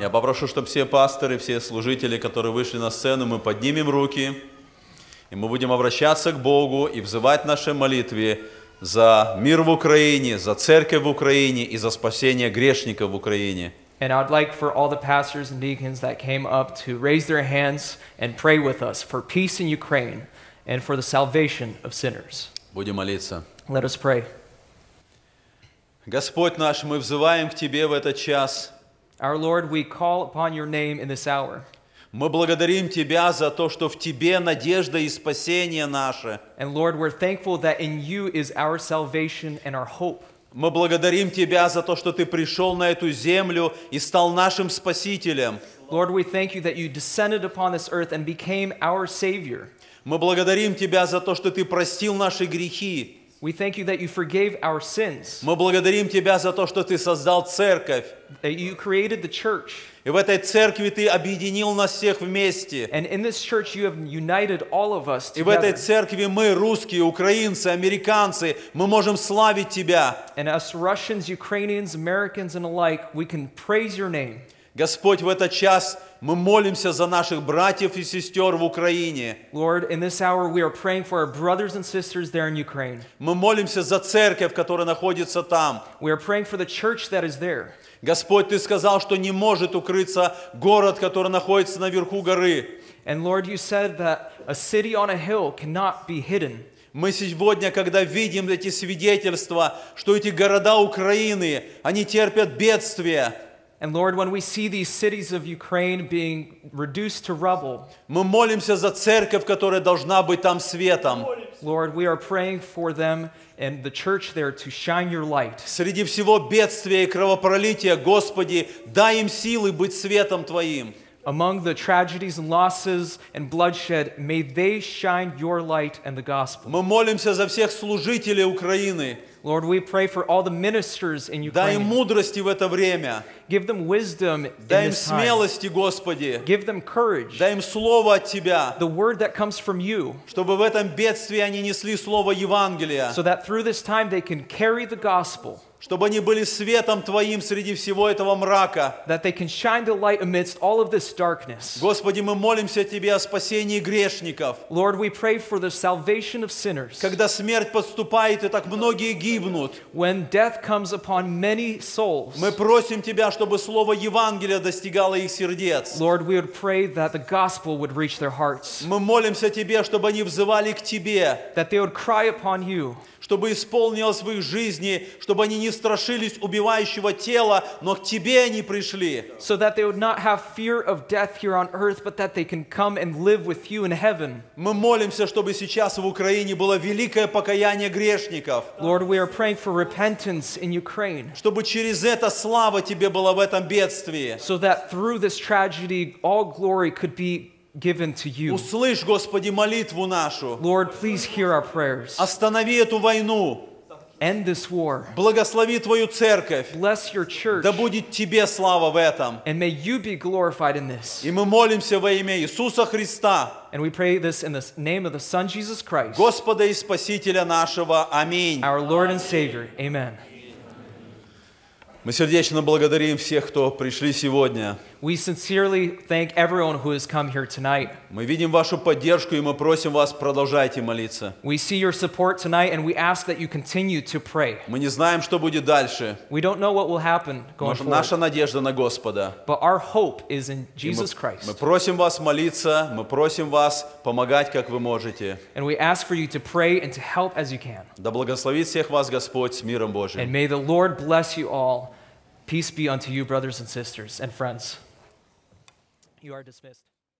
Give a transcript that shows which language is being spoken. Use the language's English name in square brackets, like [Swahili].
[Russian] Я попрошу, чтобы все пасторы, все служители, которые вышли на сцену, мы поднимем руки, и мы будем обращаться к Богу и взывать в нашей молитве за мир в Украине, за церковь в Украине и за спасение грешников в Украине. [English] And I'd like for all the pastors and deacons that came up to raise their hands and pray with us for peace in Ukraine and for the salvation of sinners. [Russian] Будем молиться. [English] Let us pray. [Russian] Господь наш, мы взываем к Тебе в этот час. [English] Our Lord, we call upon Your name in this hour. [Russian] Мы благодарим Тебя за то, что в Тебе надежда и спасение наше. [English] And Lord, we're thankful that in You is our salvation and our hope. [Russian] Мы благодарим Тебя за то, что Ты пришел на эту землю и стал нашим спасителем. [English] Lord, we thank You that You descended upon this earth and became our Savior. [Russian] Мы благодарим Тебя за то, что Ты простил наши грехи. [English] We thank You that You forgave our sins. [Russian] Мы благодарим Тебя за то, что Ты создал церковь. [English] That You created the church. [Russian] И в этой церкви Ты объединил нас всех вместе. [English] And in this church You have united all of us together. [Russian] И в этой церкви мы, русские, украинцы, американцы, мы можем славить Тебя. [English] And us Russians, Ukrainians, Americans and alike, we can praise Your name. [Russian] Господь, в этот час мы молимся за наших братьев и сестер в Украине. [English] Lord, in this hour we are praying for our brothers and sisters there in Ukraine. [Russian] Мы молимся за церковь, которая находится там. [English] We are praying for the church that is there. [Russian] Господь, Ты сказал, что не может укрыться город, который находится наверху горы. [English] And Lord, You said that a city on a hill cannot be hidden. [Russian] Мы сегодня, когда видим эти свидетельства, что эти города Украины, они терпят бедствия. [English] And Lord, when we see these cities of Ukraine being reduced to rubble, [Russian] мы молимся за церковь, которая должна быть там светом. [English] Lord, we are praying for them and the church there to shine Your light. [Russian] Среди всего бедствия и кровопролития, Господи, дай им силы быть светом Твоим. [English] Among the tragedies and losses and bloodshed, may they shine Your light and the gospel. [Russian] Мы молимся за всех служителей Украины. [English] Lord, we pray for all the ministers in Ukraine. [Russian] Дай им мудрости в это время. [English] Give them wisdom in this time. [Russian] Дай им смелости, Господи. [English] Give them courage. [Russian] Дай им слово от Тебя. [English] The word that comes from You. [Russian] Чтобы в этом бедствии они несли слово Евангелия. [English] So that through this time they can carry the gospel. [Russian] Чтобы они были светом Твоим среди всего этого мрака. [English] That they can shine the light amidst all of this darkness. [Russian] Господи, мы молимся Тебе о спасении грешников. [English] Lord, we pray for the salvation of sinners. [Russian] Когда смерть подступает, и так многие гибнут. [English] When death comes upon many souls. [Russian] Мы просим Тебя, чтобы слово Евангелия достигало их сердец. [English] Lord, we would pray that the gospel would reach their hearts. [Russian] Мы молимся Тебе, чтобы они взывали к Тебе. [English] That they would cry upon You. [Russian] Чтобы исполнилось в их жизни, чтобы они не страшились убивающего тела, но к Тебе они пришли. [English] So that they would not have fear of death here on earth, but that they can come and live with You in heaven. [Russian] Мы молимся, чтобы сейчас в Украине было великое покаяние грешников. [English] Lord, we are praying for repentance in Ukraine. [Russian] Чтобы через это слава Тебе была в этом бедствии. [English] So that through this tragedy all glory could be given to You. [Russian] Услышь, Господи, молитву нашу. [English] Lord, please hear our prayers. [Russian] Останови эту войну. [English] End this war. [Russian] Благослови Твою церковь. [English] Bless Your church. [Russian] Да будет Тебе слава в этом. [English] And may You be glorified in this. [Russian] И мы молимся во имя Иисуса Христа. [English] And we pray this in the name of the Son, Jesus Christ. [Russian] Господа и Спасителя нашего. Аминь. [English] Our Lord and Savior. Amen. [Russian] Мы сердечно благодарим всех, кто пришли сегодня. [English] We sincerely thank everyone who has come here tonight. [Russian] Мы видим вашу поддержку, и мы просим вас, продолжайте молиться. [English] We see your support tonight, and we ask that you continue to pray. [Russian] Мы не знаем, что будет дальше. [English] We don't know what will happen going forward. [Russian] Наша надежда на Господа. [English] But our hope is in Jesus Christ. [Russian] Мы просим вас молиться, мы просим вас помогать, как вы можете. [English] And we ask for you to pray and to help as you can. [Russian] Да благословит всех вас Господь с миром Божьим. [English] And may the Lord bless you all. Peace be unto you, brothers and sisters and friends. You are dismissed.